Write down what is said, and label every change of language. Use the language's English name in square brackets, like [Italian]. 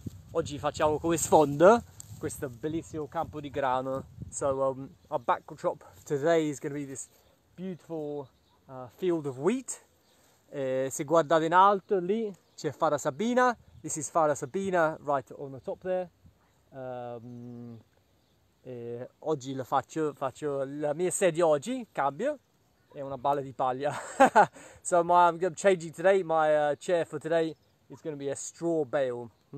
[Italian] Oggi facciamo come sfondo questo bellissimo campo di grano. [English] So our backdrop today is going to be this beautiful field of wheat. [Italian] Se guardate in alto lì c'è Fara Sabina. [English] This is Fara Sabina right on the top there. [Italian] Oggi lo faccio la mia sedia oggi, cambio. È una balla di paglia. [English] So I'm changing today. My chair for today is going to be a straw bale.